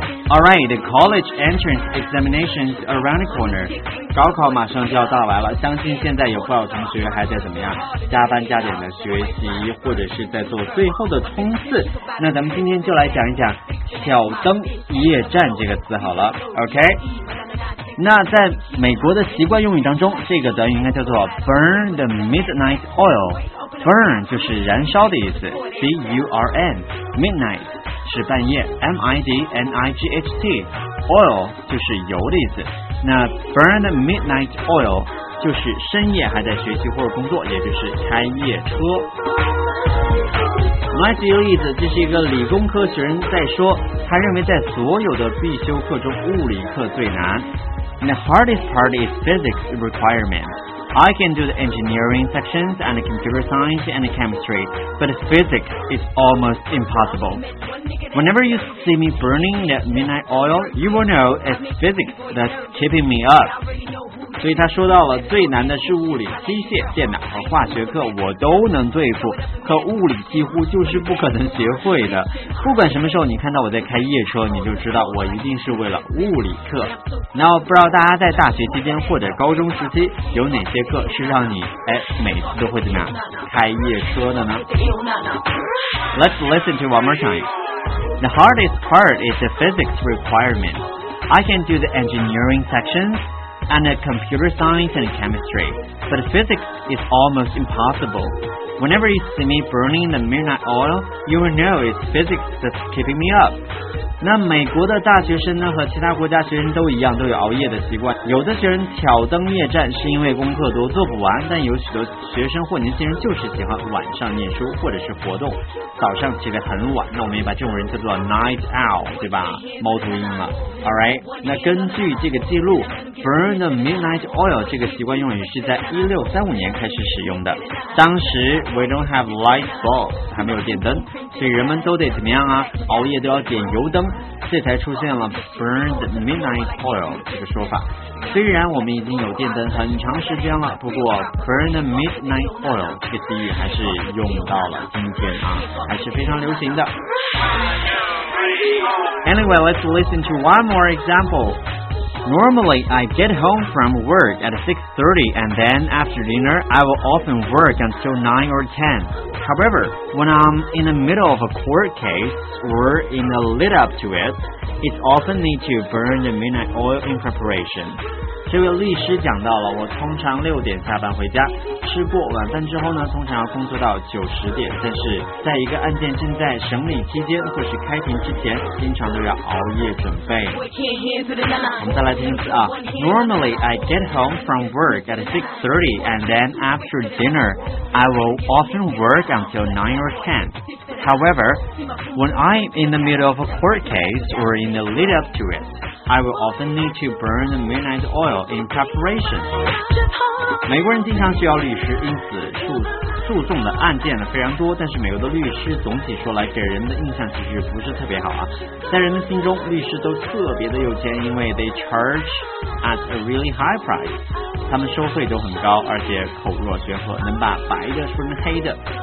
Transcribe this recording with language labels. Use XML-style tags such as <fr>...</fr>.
<en>All right, the college entrance examinations around the corner.</en> <zh>高考马上就要到来了，相信现在有不少同学还在怎么样加班加点的学习，或者是在做最后的冲刺。那咱们今天就来讲一讲挑灯夜战这个词好了。 OK，那在美国的习惯用语当中，这个短语应该叫做 burn the midnight oil。 burn 就是燃烧的意思， B-U-R-N， midnight 是半夜， M-I-D-N-I-G-H-T， oil 就是油的意思。那 burn midnight oil 就是深夜还在学习或者工作，也就是开夜车。来举个例子，这是一个理工科学生在说，他认为在所有的必修课中，物理课最难。</zh> <en>The hardest part is physics requirement. I can do the engineering sections and the computer science and the chemistry, but physics is almost impossible. Whenever you see me burning that midnight oil, you will know it's physics that's keeping me up.</en> <zh>所以他说到了最难的是物理、机械、电脑和化学课，我都能对付，可物理几乎就是不可能学会的。不管什么时候你看到我在开夜车，你就知道我一定是为了物理课。那不知道大家在大学期间或者高中时期有哪些课是让你每次都会怎么样开夜车的呢？</zh> <en>Let's listen to one more time. The hardest part is the physics requirement. I can do the engineering sections and the computer science and chemistry, but physics is almost impossible. Whenever you see me burning the midnight oil, you will know it's physics that's keeping me up.</en> <zh>那美国的大学生呢，和其他国家学生都一样，都有熬夜的习惯。有的学生挑灯夜战是因为功课都做不完，但有许多学生或年轻人就是喜欢晚上念书或者是活动，早上起得很晚。那我们也把这种人叫做 night owl， 对吧？猫头鹰了。</zh> <en>All right，</en> <zh>那根据这个记录 ，burn the midnight oil 这个习惯用语是在1635年开始使用的。当时</zh> <en>we don't have light bulbs，</en> <zh>还没有电灯，所以人们都得怎么样啊？熬夜都要点油灯。这才出现了 burned midnight oil 这个说法。虽然我们已经有电灯很长时间了，不过 burned midnight oil 这个词语还是用到了今天啊，还是非常流行的。</zh> <en>Anyway, let's listen to one more example. Normally, I get home from work at 6:30 and then after dinner, I will often work until 9 or 10. However, when I'm in the middle of a court caseOr in the lead up to it, it often need to burn the midnight oil in preparation.</en> <zh>这位律师讲到了，我通常六点下班回家，吃过晚饭之后呢，通常要工作到九十点。但是在一个案件正在审理期间或是开庭之前，经常都要熬夜准备。我们再来听一次啊。</zh> <en>Normally I get home from work at 6:30, and then after dinner, I will often work until 9 or 10. However. When I'm in the middle of a court case or in the lead up to it, I will often need to burn the midnight oil in preparation.</en> <zh>美国人经常需要律师，因此诉讼的案件呢非常多，但是美国的律师总体说来给人们的印象其实不是特别好啊。在人们心中，律师都特别的有钱，因为</zh> <en>they charge at a really high price.</en> <zh>他们收费都很高，而且口若悬河，能把白的说成黑的。</zh>